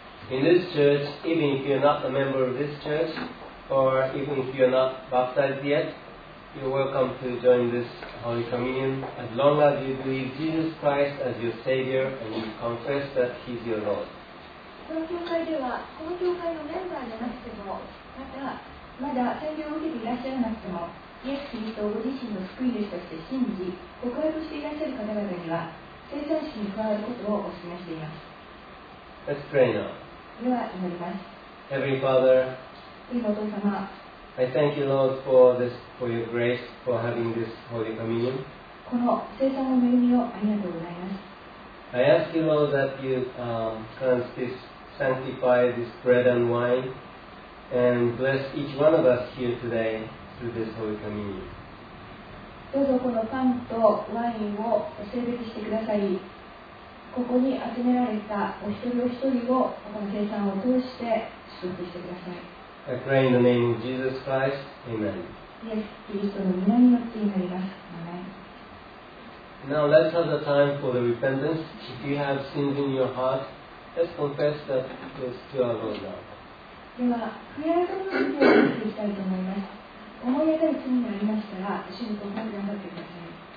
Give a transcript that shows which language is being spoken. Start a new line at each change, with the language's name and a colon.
English: In this church, even if you're not a member of this church, or even if you're not baptized yet, you're welcome to join this Holy Communion as long as you believe Jesus Christ as your Savior and you confess that He's your Lord.
Japanese: この教会ではこの教会のメンバーじゃなくてもまたまだ洗礼を受けていらっしゃらなくてもイエス・キリストをご自身の救い主として信じ告白していらっしゃる方々には聖餐式に加わることをお勧めしています。
English: Let's pray now.
Japanese: では祈ります。
English: Heavenly Father,
Japanese: 天のお父様、
English: I thank you Lord for your grace for having this Holy Communion.
Japanese: この聖餐の恵みをありがとうございます。
English: I ask you, Lord, that you cleanse this, sanctify this bread and wine, and bless each one of us here today through this Holy Communion.
Japanese: どうぞこのパンとワインを聖別してください。ここに集められたお一人お一人をこの聖餐を通して祝福してください。
English: I pray in the name of Jesus Christ. Amen.
Japanese: イエス・キリストの御名によって祈ります。
English: Amen. Now let's have the time for the repentance. If you have sins in your heart, let's confess that this to our Lord now.
Japanese: では、悔い改めの時を祈っていきたいと思います。思い当たる罪がありましたら、主にご祈り頑張ってください。